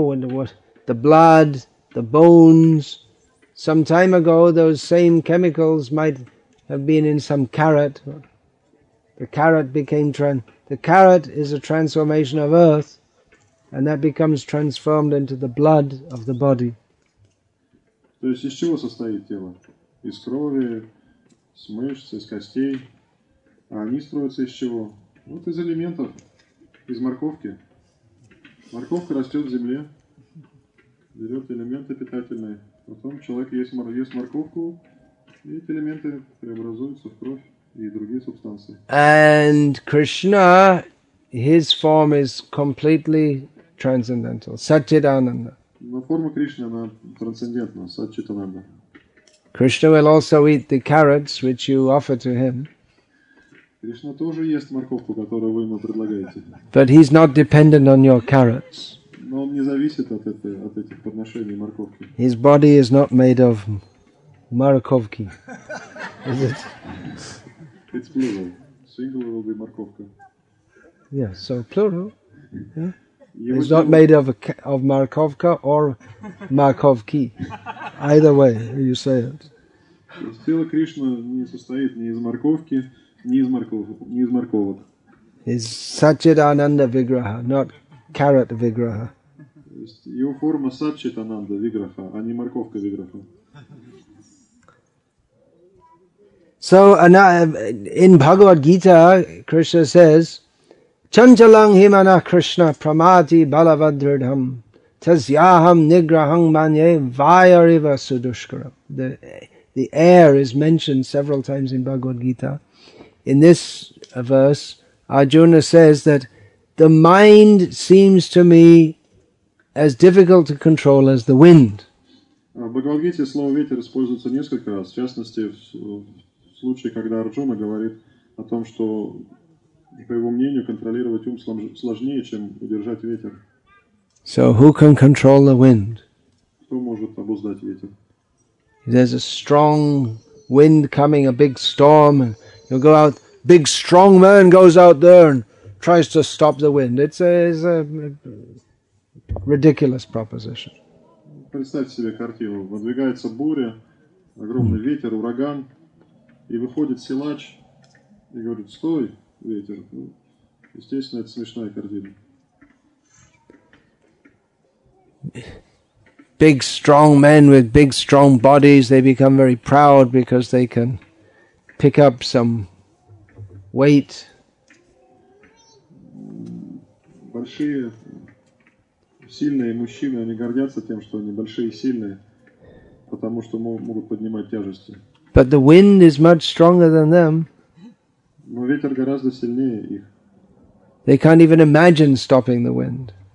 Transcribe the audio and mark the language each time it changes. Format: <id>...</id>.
<en>When the blood, the bones, some time ago, those same chemicals might have been in some carrot. The carrot is a transformation of earth, and that becomes transformed into the blood of the body.</en> <ru>То есть из чего состоит тело? Из крови, из мышц, из костей. А они строятся из чего? Вот из элементов, из морковки. Морковка растет в земле, берет элементы питательные. Потом человек ест морковку, и эти элементы преобразуются в кровь и другие субстанции.</ru> <en>And Krishna, his form is completely transcendental.</en> <sa>Satchitananda.</sa> <ru>Но форма Кришны, она трансцендентна.</ru> <sa>Satchitananda.</sa> <en>Krishna will also eat the carrots which you offer to him.</en> <ru>Кришна тоже ест морковку, которую вы ему предлагаете.</ru> <en>But he's not dependent on your carrots.</en> <ru>Но он не зависит от этих подношений морковки.</ru> <en>His body is not made of</en> <ru>морковки,</ru> <en>is it? It's plural. Single will be</en> <ru>морковка.</ru> <en>Yeah, so plural. Yeah? It's not made of</en> <ru>морковка or морковки.</ru> <en>Either way, you say it.</en> <ru>Тело Кришна не состоит ни из морковки, не из морковок.</ru> <en>Is Satchitananda Vigraha, not carrot Vigraha.</en> <ru>Его форма Satchitananda Vigraha, а не морковка Vigraha.</ru> <en>So in Bhagavad Gita, Krishna says,</en> <sa>Chanchalang himana Krishna pramati balavadridham tasyaham nigrahang manye vayariva sudushkara.</sa> <en>The air is mentioned several times in Bhagavad Gita. In this verse, Arjuna says that the mind seems to me as difficult to control as the wind.</en> <ru>В Бхагавад Гите слово ветер используется несколько раз, в частности в случае, когда Арджуна говорит о том, что, по его мнению, контролировать ум сложнее, чем удержать ветер.</ru> <en>So who can control the wind?</en> <ru>Кто может обуздать ветер?</ru> <en>There's a strong wind coming, a big storm. You go out, big strong man goes out there and tries to stop the wind. It's a ridiculous proposition.</en> <ru>Представьте себе картину. Выдвигается буря, огромный ветер, ураган, и выходит силач и говорит: «Стой, ветер!» Естественно, это смешная картина.</ru> <en>Big strong men with big strong bodies, they become very proud because they can pick up some weight.</en> <ru>Большие, сильные мужчины, они гордятся тем, что они большие и сильные, потому что могут поднимать тяжести.</ru> <en>But the wind is much stronger than them.</en> <ru>Но ветер гораздо сильнее их.</ru> <en>They can't even imagine stopping the wind.</en>